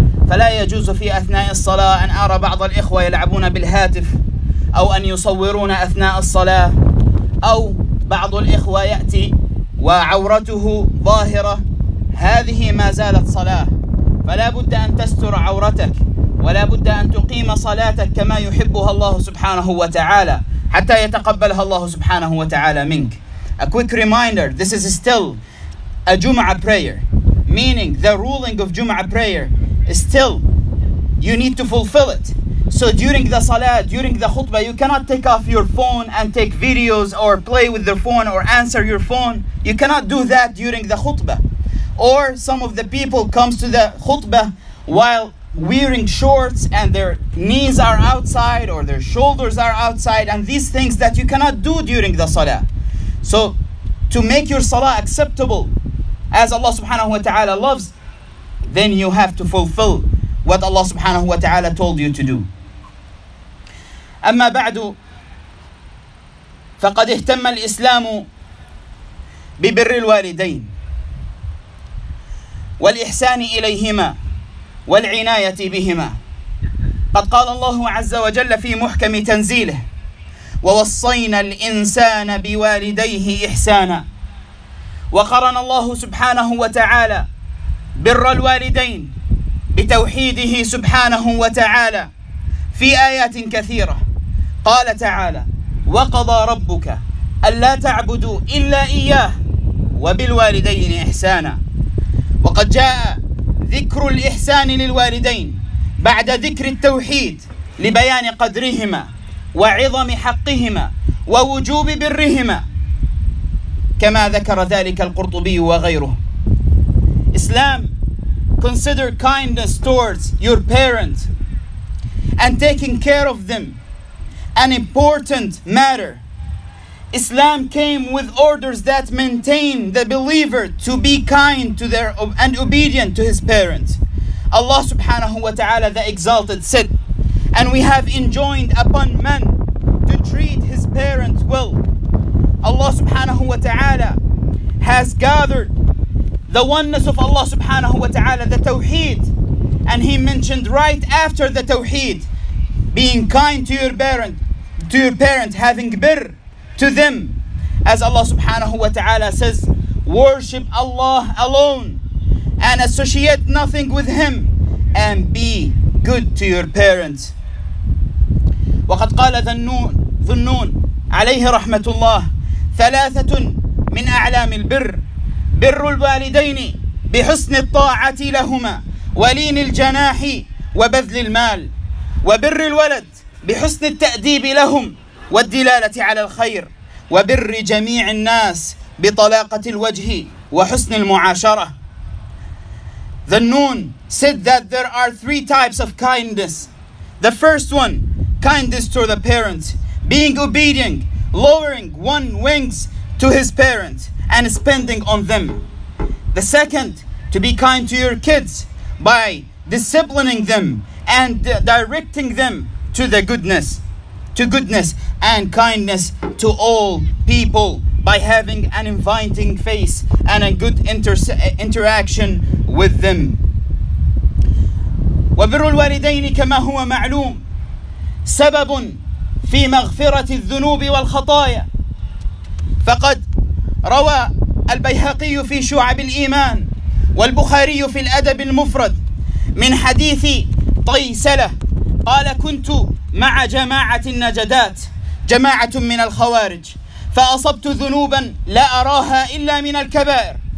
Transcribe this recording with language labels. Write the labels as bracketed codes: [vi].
[ar] فلا يجوز في أثناء الصلاة أن أرى بعض الإخوة يلعبون بالهاتف أو أن يصورون أثناء الصلاة أو بعض الإخوة يأتي وعورته ظاهرة هذه ما زالت صلاة فلا بد أن تستر عورتك ولا بد أن تقيم صلاتك كما يحبها الله سبحانه وتعالى حتى يتقبلها الله سبحانه وتعالى منك. [en] A quick reminder, this is still a Jum'ah prayer, meaning the ruling of Jum'ah prayer still, you need to fulfill it. So during the salah, during the khutbah, you cannot take off your phone and take videos or play with your phone or answer your phone. You cannot do that during the khutbah. Or some of the people comes to the khutbah while wearing shorts and their knees are outside or their shoulders are outside and these things that you cannot do during the salah. So to make your salah acceptable as Allah subhanahu wa ta'ala loves, then you have to fulfill what Allah subhanahu wa ta'ala told you to do. [ar] أما بعد فقد اهتم الإسلام ببر الوالدين والإحسان إليهما والعناية بهما. قد قال الله عز وجل في محكم تنزيله ووصينا الإنسان بوالديه إحسانا. وقرن الله سبحانه وتعالى بر الوالدين بتوحيده سبحانه وتعالى في آيات كثيرة. قال تعالى وقضى ربك ألا تعبدوا إلا إياه وبالوالدين إحسانا. وقد جاء ذكر الإحسان للوالدين بعد ذكر التوحيد لبيان قدرهما وعظم حقهما ووجوب برهما كما ذكر ذلك القرطبي وغيره. [en] Islam, consider kindness towards your parents and taking care of them an important matter. Islam came with orders that maintain the believer to be kind to their and obedient to his parents. Allah subhanahu wa ta'ala, the exalted, said, and we have enjoined upon men to treat his parents well. Allah subhanahu wa ta'ala has gathered the oneness of Allah subhanahu wa ta'ala, the tawheed. And he mentioned right after the tawheed, being kind to your parent, having birr to them. As Allah subhanahu wa ta'ala says, worship Allah alone and associate nothing with him and be good to your parents. [ar] وقد قال ذنون عليه رحمة الله ثلاثة من أعلام البر: بر الوالدين بحسن الطاعة لهما ولين الجناح وبذل المال، وبر الولد بحسن التأديب لهم والدلالة على الخير، وبر جميع الناس بطلاقة الوجه وحسن المعاشرة. [en] The Noon said that there are three types of kindness. The first one, kindness to the parents, being obedient, lowering one wings to his parents and spending on them. The second, to be kind to your kids by disciplining them and directing them to the goodness, to goodness and kindness to all people by having an inviting face and a good interaction with them. [ar] وبر الوالدين كما هو معلوم سبب في مغفرة الذنوب والخطايا. فقد روى البيهقي في شعب الإيمان والبخاري في الأدب المفرد من حديث طيسلة قال كنت مع جماعة النجدات جماعة من الخوارج فأصبت ذنوبا لا أراها إلا من الكبائر